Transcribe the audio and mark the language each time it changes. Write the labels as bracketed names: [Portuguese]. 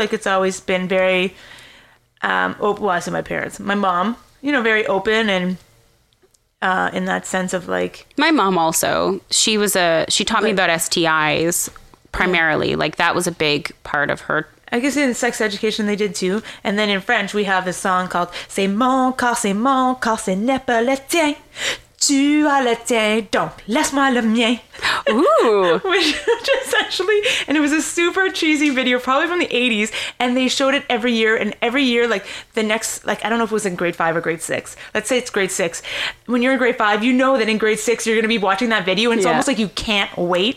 [English] Like it's always been very, I said my parents, my mom, you know, very open and in that sense of like my mom also she taught me about STIs primarily. Yeah. Like that was a big part of her, I guess, in sex education they did too. And then in French we have this song called [French] c'est mon corps, ce n'est pas le tien, tu as le tien, donc laisse-moi le mien. Ooh. [English] which essentially, and it was a super cheesy video probably from the 80s, and they showed it every year, and every year like the next, like I don't know if it was in grade 5 or grade 6, let's say it's grade 6, when you're in grade 5 you know that in grade 6 you're gonna be watching that video, and it's almost like you can't wait.